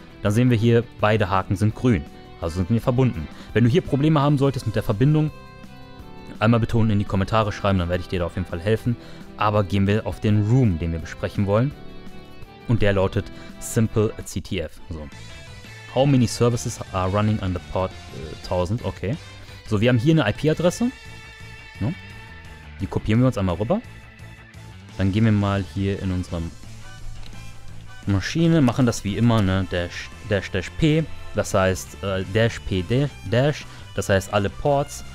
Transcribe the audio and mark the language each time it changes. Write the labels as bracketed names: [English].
[German] Dann sehen wir hier, beide Haken sind grün. Also sind wir verbunden. Wenn du hier Probleme haben solltest mit der Verbindung, einmal betonen in die Kommentare schreiben, dann werde ich dir da auf jeden Fall helfen. Aber gehen wir auf den Room, den wir besprechen wollen. Und der lautet SimpleCTF. So. [English] How many services are running on the port 1000? [German] Okay. So, wir haben hier eine IP-Adresse. No? Die kopieren wir uns einmal rüber. Dann gehen wir mal hier in unsere Maschine, machen das wie immer, ne? --p, das heißt --p, das heißt alle Ports.